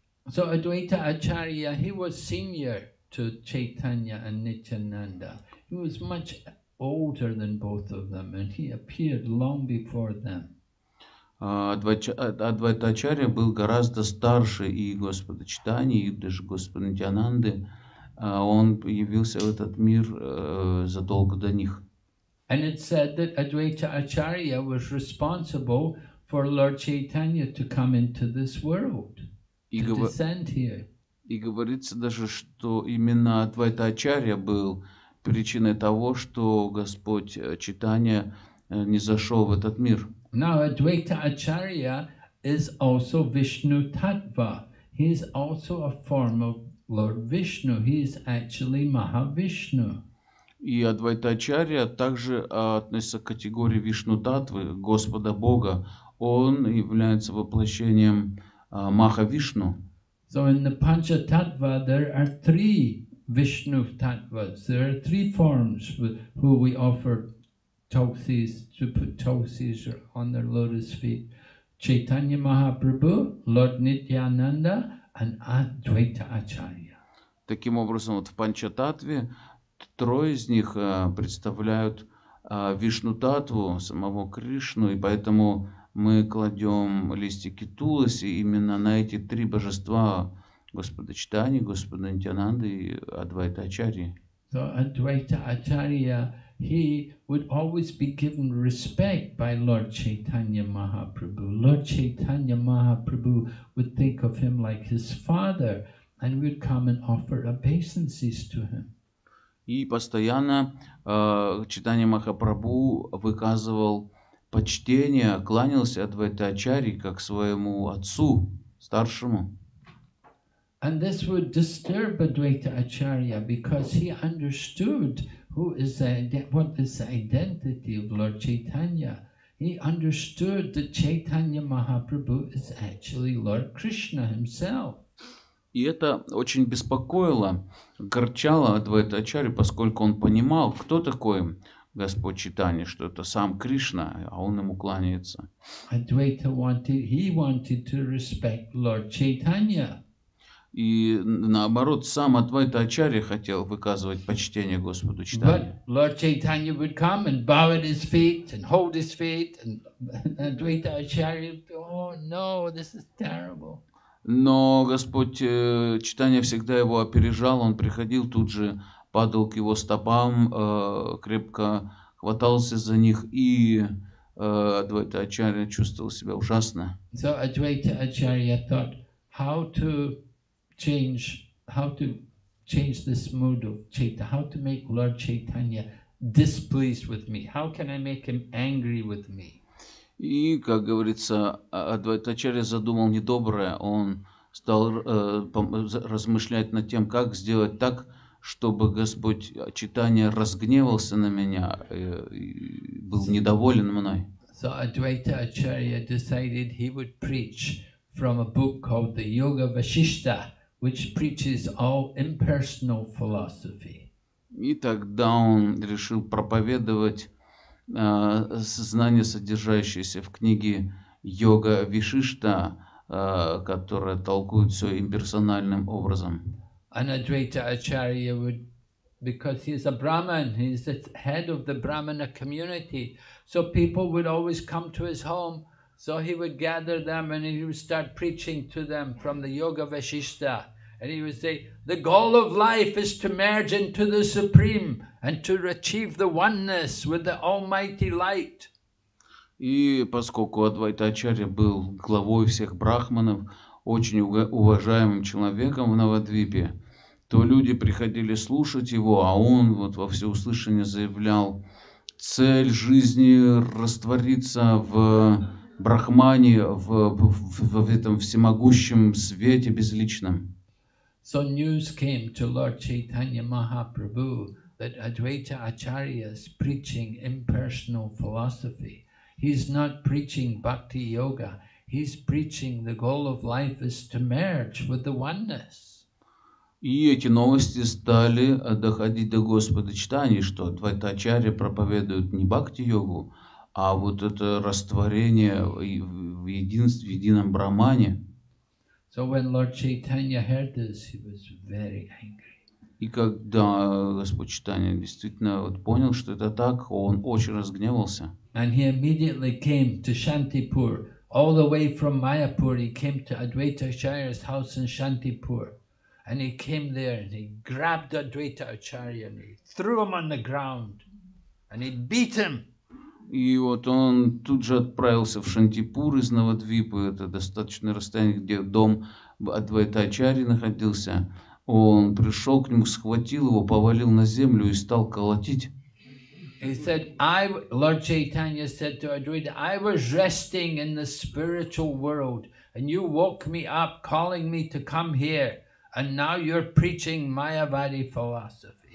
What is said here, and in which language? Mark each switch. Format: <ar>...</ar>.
<en>So Advaita Acharya, he was senior to Chaitanya and Nityananda. He was much older than both of them, and he appeared long before them.</en> <ru>Адвайта Ачарья был гораздо старше и Господа Чайтаньи, и даже Господа Нитьянанды. Он явился в этот мир задолго до них.</ru> <en>And it said that Advaita Acharya was responsible for Lord Chaitanya to come into this world, to descend here.</en> <ru>И говорится даже, что именно Адвайта Ачарья был причиной того, что Господь Чайтанья не зашел в этот мир.</ru> <en>Now Advaita Acharya is also Vishnu Tattva. He is also a form of Lord Vishnu. He is actually Mahavishnu.</en> <ru>И Адвайта Ачарья также относится к категории Вишну Таттвы, Господа Бога. Он является воплощением Махавишну.</ru> <en>So in the Pancha Tattva there are three Vishnu Tattvas. There are three forms who we offer Tulsis, to put Tulsis on their lotus feet. Chaitanya Mahaprabhu, Lord Nityananda, and Advaita Acharya.</en> <ru>Таким образом, вот в Панча Таттве трое из них представляют Вишну Таттву, самого Кришну, и поэтому мы кладем листики Туласи именно на эти три божества Господа Чайтаньи, Господа Нитьянанды и Адвайта Ачарьи.</ru> <en>So Advaita Acharya, he would always be given respect by Lord Chaitanya Mahaprabhu. Lord Chaitanya Mahaprabhu would think of him like his father and would come and offer obeisances to him.</en> <ru>И постоянно Чайтанья Махапрабху выказывал почтение, кланялся Адвайта Ачарьи как своему отцу, старшему.</ru> <en>And this would disturb Advaita Acharya because he understood who is what is the identity of Lord Chaitanya. He understood that Chaitanya Mahaprabhu is actually Lord Krishna himself.</en> <ru>И это очень беспокоило, горчало Адвайта Ачарьи, поскольку он понимал, кто такой Господь Чайтанья, что это сам Кришна, а он ему кланяется.</ru> <en>Advaita wanted, he wanted to respect Lord Chaitanya.</en> <ru>И наоборот, сам Адвайта Ачарья хотел выказывать почтение Господу Чайтанье.</ru> <en>But Lord Chaitanya would come and bow at his feet and hold his feet, and Advaita Acharya, oh no, this is terrible.</en> <ru>Но Господь Чайтанья всегда его опережал, он приходил тут же, падал к его стопам, крепко хватался за них, и Адвайта Ачарья чувствовал себя ужасно.</ru> <en>So Advaita Acharya thought, how to change, how to change this mood of Chaitanya? How to make Lord Chaitanya displeased with me? How can I make him angry with me?</en> <ru>И, как говорится, Адвайтачарья задумал недоброе. Он стал размышлять над тем, как сделать так, чтобы Господь Чайтанья разгневался на меня и был недоволен мной.</ru> <en>So Advaita Acharya decided he would preach from a book called the Yoga Vashishta, which preaches all impersonal philosophy.</en> <ru>И тогда он решил проповедовать знания, содержащиеся в книге Йога Вишишта, которая толкует все имперсональным образом.</ru> <en>And Advaita Acharya would, because he is a Brahman, he is the head of the Brahmana community, so people would always come to his home, so he would gather them and he would start preaching to them from the Yoga Vashishta. And he would say, the goal of life is to merge into the Supreme and to achieve the oneness with the Almighty Light.</en> <ru>И поскольку Адвайта Ачарья был главой всех брахманов, очень уважаемым человеком в Навадвипе, то люди приходили слушать его, а он вот во всеуслышание заявлял, цель жизни – раствориться в брахмане, в этом всемогущем свете безличном.</ru> <en>So news came to Lord Chaitanya Mahaprabhu that Advaita Acharya is preaching impersonal philosophy. He's not preaching bhakti yoga. He's preaching the goal of life is to merge with the oneness.</en> <ru>И эти новости стали доходить до Господа Чайтаньи, что Адвайта Ачарья проповедует не бхакти-йогу, а вот это растворение в единстве, в едином брахмане.</ru> <en>So when Lord Chaitanya heard this, he was very angry.</en> <ru>И когда Господь Чайтанья действительно вот понял, что это так, он очень разгневался.</ru> <en>And he immediately came to Shantipur. All the way from Mayapur, he came to Advaita Acharya's house in Shantipur. And he came there and he grabbed Advaita Acharya and he threw him on the ground and he beat him.</en> <ru>И вот он тут же отправился в Шантипур из Навадвипы, это достаточное расстояние, где дом Адвайта Ачарьи находился. Он пришел к нему, схватил его, повалил на землю и стал колотить.</ru> <en>He said, Lord Chaitanya said to Advaita, I was resting in the spiritual world and you woke me up calling me to come here and now you're preaching Mayavadi philosophy.</en>